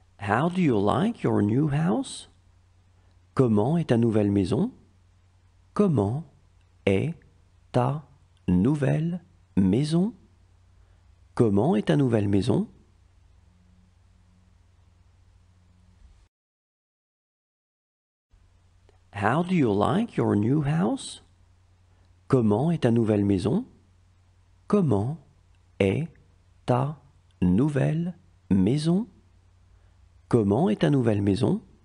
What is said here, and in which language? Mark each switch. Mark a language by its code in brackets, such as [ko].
[en] How do you like your new house? [fr] Comment est ta nouvelle maison? Comment est ta nouvelle maison? Comment est ta nouvelle maison? [en] How do you like your new house? [fr] Comment est ta nouvelle maison? Comment est ta nouvelle maison? Comment est ta nouvelle maison?